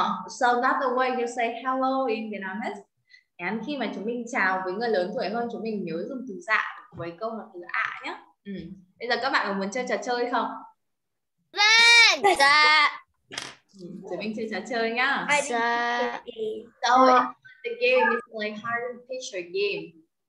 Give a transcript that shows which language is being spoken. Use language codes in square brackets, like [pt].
[en] So that's the way you say hello in Vietnamese. [vi] And khi mà chúng mình chào với người lớn tuổi hơn, chúng mình nhớ dùng từ dạ với câu là từ ạ nhé. Bây giờ các bạn có muốn chơi trò chơi không? Vâng, dạ. Chúng mình chơi trò chơi nhá. Dạ. [en] So the game is like hard picture game.